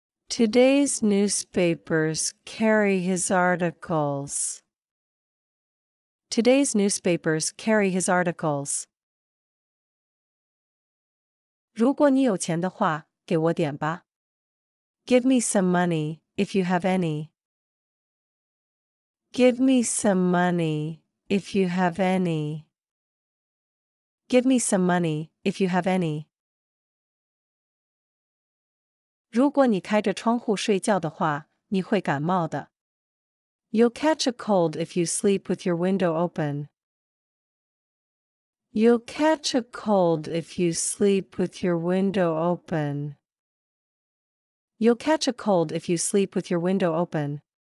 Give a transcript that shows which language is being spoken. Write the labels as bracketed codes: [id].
[en] Today's newspapers carry his articles. Today's newspapers carry his articles. [zh] 如果你有钱的话，给我点吧。 [en] Give me some money, if you have any. Give me some money, if you have any. Give me some money, if you have any. [zh] 如果你开着窗户睡觉的话，你会感冒的。 [en] You'll catch a cold if you sleep with your window open. You'll catch a cold if you sleep with your window open. You'll catch a cold if you sleep with your window open.